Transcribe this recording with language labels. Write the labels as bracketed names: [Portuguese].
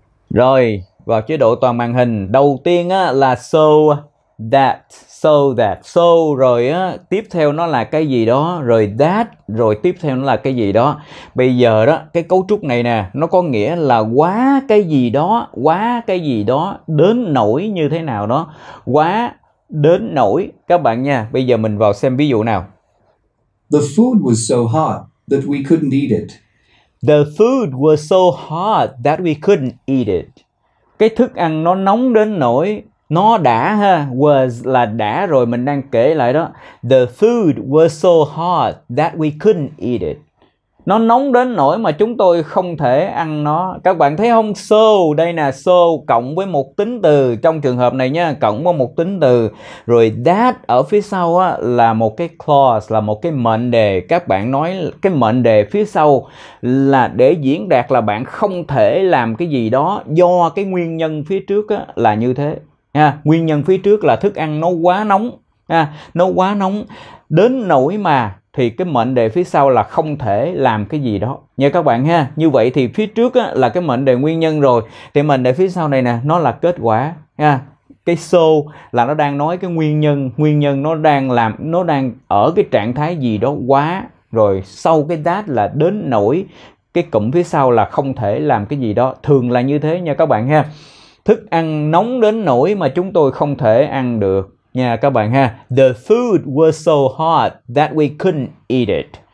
[Vietnamese] Rồi, vào chế độ toàn màn hình, đầu tiên á là [English] so that, so that, so [Vietnamese] rồi á, tiếp theo nó là cái gì đó, rồi that, rồi tiếp theo nó là cái gì đó. Bây giờ đó, cái cấu trúc này nè, nó có nghĩa là quá cái gì đó, đến nỗi như thế nào đó, quá đến nỗi, các bạn nha. Bây giờ mình vào xem ví dụ nào. [English] The food was so hot that we couldn't eat it. The food was so hot that we couldn't eat it. [Vietnamese] Cái thức ăn nó nóng đến nỗi. Nó đã ha, was là đã rồi, mình đang kể lại đó. [English] The food was so hot that we couldn't eat it. [Vietnamese] Nó nóng đến nỗi mà chúng tôi không thể ăn nó. Các bạn thấy không? So, đây nè, so cộng với một tính từ. Trong trường hợp này nha, cộng với một tính từ. Rồi that ở phía sau á, là một cái clause, là một cái mệnh đề. Các bạn nói cái mệnh đề phía sau là để diễn đạt là bạn không thể làm cái gì đó do cái nguyên nhân phía trước á, là như thế. À, nguyên nhân phía trước là thức ăn nó quá nóng, à, nó quá nóng đến nỗi mà, thì cái mệnh đề phía sau là không thể làm cái gì đó nha các bạn ha. Như vậy thì phía trước á, là cái mệnh đề nguyên nhân rồi, thì mệnh đề phía sau này nè, nó là kết quả nha. Cái so là nó đang nói cái nguyên nhân nó đang làm, nó đang ở cái trạng thái gì đó quá rồi. Sau cái that là đến nỗi, cái cụm phía sau là không thể làm cái gì đó, thường là như thế nha các bạn ha. Thức ăn nóng đến nỗi mà chúng tôi không thể ăn được nha các bạn ha. [English] The food was so hot that we couldn't eat it.